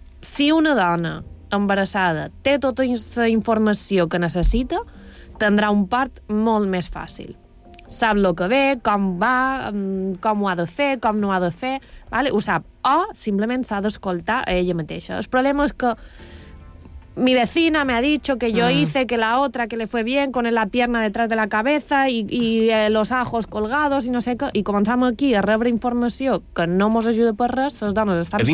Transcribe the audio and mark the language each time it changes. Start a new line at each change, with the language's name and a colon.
Catalan: Si una dona embarassada té tota la informació que necessita, tindrà un part molt més fàcil. Sap el que ve, com va, com ho ha de fer, com no ho ha de fer, vale? Ho sap. O simplement s'ha d'escoltar a ella mateixa.
Spanish: El problema és que mi vecina me ha dicho que yo hice que la otra que le fue bien con la pierna detrás de la cabeza y los ajos colgados y
Catalan: no sé què. I començam aquí a rebre informació que no mos ajuda per res, les dones estan saturades.